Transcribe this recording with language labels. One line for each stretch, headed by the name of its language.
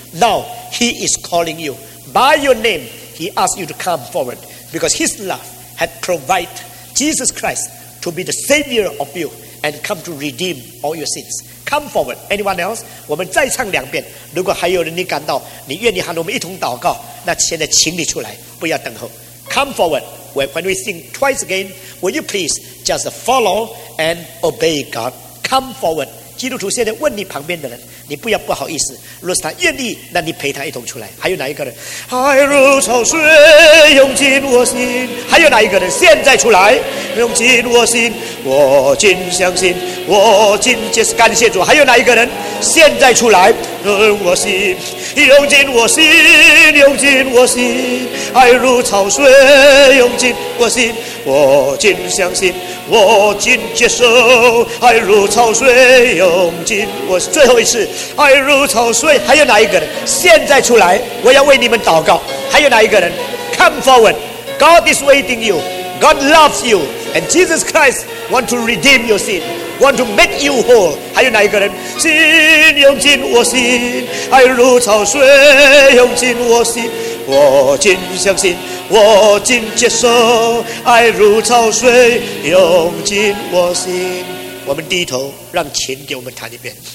English: Now he is calling you by your name. He asked you to come forward because his love had provided Jesus Christ to be the savior of you and come to redeem all your sins. Come forward. Anyone else?
Chinese: 我们再唱两遍。如果还有人你感到你愿意和我们一同祷告，那现在请你出来，不要等候。
English: Come forward. When we sing twice again, will you please just follow and obey God? Come forward.
Chinese: 基督徒现在问你旁边的人，你不要不好意思。若是他愿意，那你陪他一同出来。还有哪一个人？爱如潮水涌进我心。还有哪一个人？现在出来，涌进我心，我尽相信，我尽皆是感谢主。还有哪一个人？现在出来，涌我心，涌进我心，涌进我心，爱如潮水涌进我心，我尽相信，我尽接受，爱如潮水涌进我。最后一次，爱如潮水。还有哪一个人？现在出来，我要为你们祷告。还有哪一个人
English: ？Come forward. God is waiting you. God loves you, and Jesus Christ want to redeem your sin. Want to make you whole.
Chinese: 还有哪一个人？心涌进我心，爱如潮水涌进我心，我尽相信，我尽接受，爱如潮水涌进我心。我们低头，让琴给我们弹一遍。